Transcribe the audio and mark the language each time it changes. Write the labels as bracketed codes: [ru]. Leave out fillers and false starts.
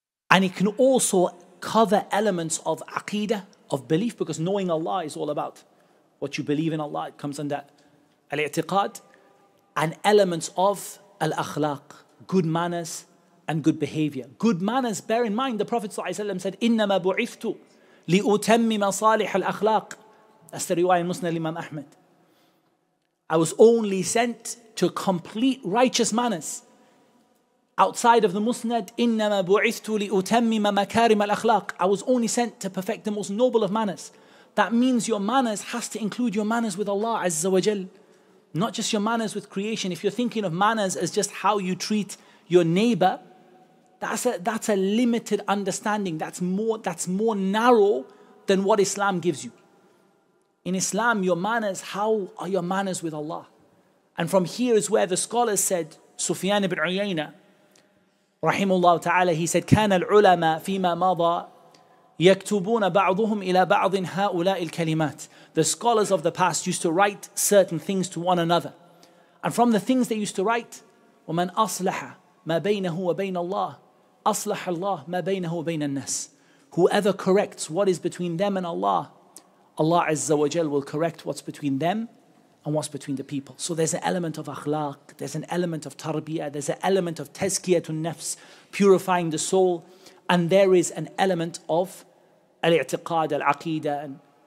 [en] And it can also cover elements of aqidah, of belief, because knowing Allah is all about what you believe in Allah. It comes under al-i'tiqad, and elements of al-akhlaq, good manners, and good behavior. Good manners, bear in mind, the Prophet ﷺ said, [ar] إِنَّمَا بُعِثْتُ لِأُتَمِّمَ صَالِحَ الْأَخْلَاقِ. [en] That's the riwayah in Musnad Imam Ahmed. I was only sent to complete righteous manners. Outside of the Musnad, [ar] إِنَّمَا بُعِثْتُ لِأُتَمِّمَ مَكَارِمَ الْأَخْلَاقِ. [en] I was only sent to perfect the most noble of manners. That means your manners has to include your manners with Allah Azza wa Jal. Not just your manners with creation. If you're thinking of manners as just how you treat your neighbor, that's a limited understanding. That's more narrow than what Islam gives you. In Islam, your manners, how are your manners with Allah? And from here is where the scholars said, Sufyan ibn Uyayna, rahimullah ta'ala, he said, [ar] كان العلماء فيما مضى يكتبون بعضهم إلى بعض هؤلاء الكلمات. [en] The scholars of the past used to write certain things to one another. And from the things they used to write, [ar] ومن أصلح ما بينه وبين الله أصلح الله ما بينه وبين الناس. [en] Whoever corrects what is between them and Allah, Allah Azza wa Jal will correct what's between them and what's between the people. So there's an element of akhlaq, there's an element of tarbiyah, there's an element of tazkiyatun nafs, purifying the soul, and there is an element of al-i'tiqad, al-aqidah.